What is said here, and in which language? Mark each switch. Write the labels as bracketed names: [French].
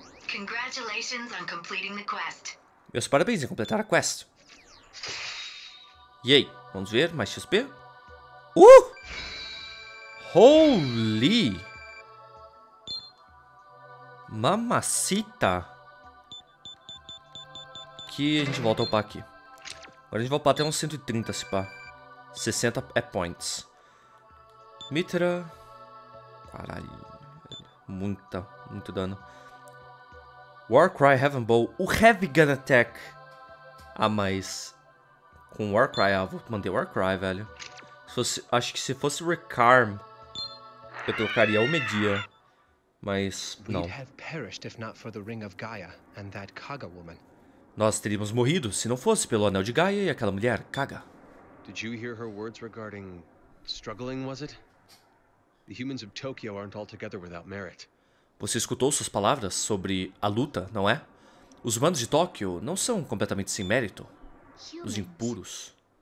[English] Congratulations on completing the quest. [Portuguese] Meus parabéns em completar a quest. E aí, vamos ver mais XP? [English] Holy! Mamacita! [Portuguese] Aqui a gente volta a upar aqui. Agora a gente vai upar até uns 130, se pá. 60 é points. Mitra. Caralho. Muito dano. Warcry, Heaven Bow, o Heavy Gun Attack. Ah, mas... Com Warcry, ah, vou manter Warcry, velho. Se fosse, acho que se fosse Recarm, eu trocaria o Media. Mas, não. [English] We'd have perished if not for the Ring of Gaia and that Kaga woman. [Portuguese] Nós teríamos morrido se não fosse pelo Anel de Gaia e aquela mulher, Kaga. [English] Did you hear her words regarding struggling, was it? The humans of Tokyo aren't altogether without merit. [Portuguese] Você escutou suas palavras sobre a luta, não é? Os humanos de Tóquio não são completamente sem mérito. Os impuros.